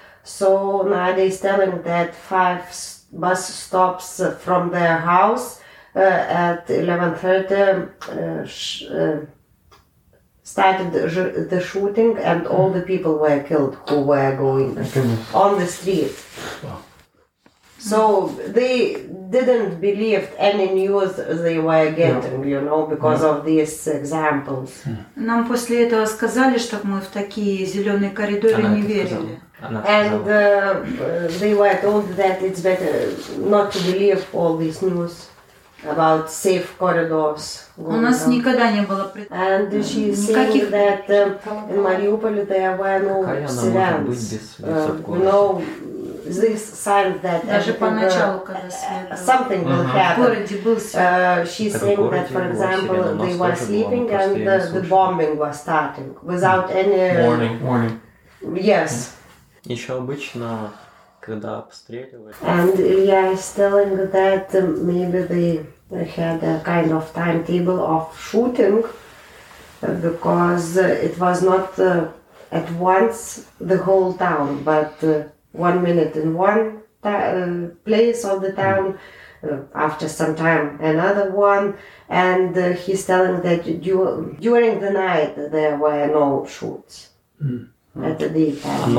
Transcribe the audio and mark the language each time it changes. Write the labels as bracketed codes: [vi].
[en] So nowadays telling that 5 bus stops from their house at 11:30 started the shooting, and all the people were killed who were going on the street. So they didn't believe any news they were getting, you know, because of these examples. [ru] Нам после этого сказали, чтоб мы в такие зеленые коридоры не верили. [en] And they were told that it's better not to believe all these news about safe corridors. [ru] У нас никогда не было [en] And she said that in Mariupol there were no sirens. No. This sign that something will happen. She's saying that, for example, they were sleeping and the bombing was starting without any warning. Yes. [ru] Еще обычно, когда обстреливают. [en] And Илья is telling that maybe they had a kind of timetable of shooting because it was not at once the whole town, but 1 minute in one place of the town, after some time another one, and he's telling that during the night there were no shoots at the daytime.